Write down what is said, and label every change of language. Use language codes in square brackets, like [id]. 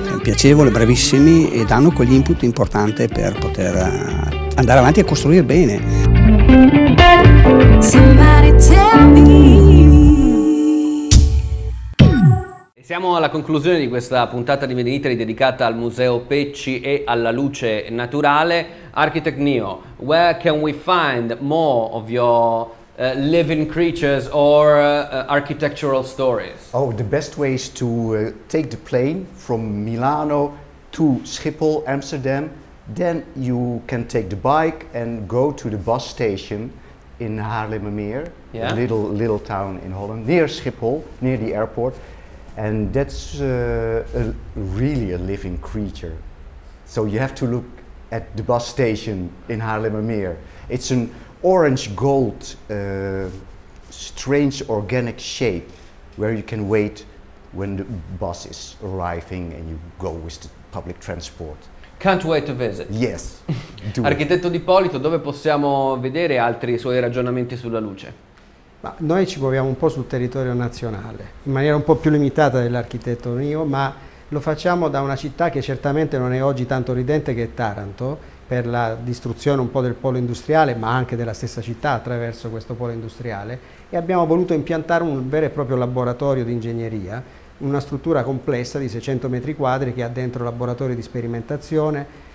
[it] Piacevole, bravissimi e danno quegli input importanti per poter andare avanti a costruire bene. Siamo alla conclusione di questa puntata di Made in Italy dedicata al Museo Pecci e alla luce naturale. [en] Architect Neo, where can we find more of your living creatures or architectural stories? Oh, the best way is to take the plane from Milano to Schiphol, Amsterdam. Then you can take the bike and go to the bus station in Haarlemmermeer, yeah. A little town in Holland, near Schiphol, near the airport. And that's really a living creature. So you have to look at the bus station in Haarlemmermeer. It's an orange gold, strange organic shape where you can wait when the bus is arriving and you go with the public transport. Can't wait to visit. Yes. [it] Architetto D'Ippolito, dove possiamo vedere altri suoi ragionamenti sulla luce? Ma noi ci muoviamo un po' sul territorio nazionale, in maniera un po' più limitata dell'architetto mio, ma lo facciamo da una città che certamente non è oggi tanto ridente, che è Taranto, per la distruzione un po' del polo industriale, ma anche della stessa città attraverso questo polo industriale, e abbiamo voluto impiantare un vero e proprio laboratorio di ingegneria, una struttura complessa di 600 metri quadri che ha dentro laboratori di sperimentazione.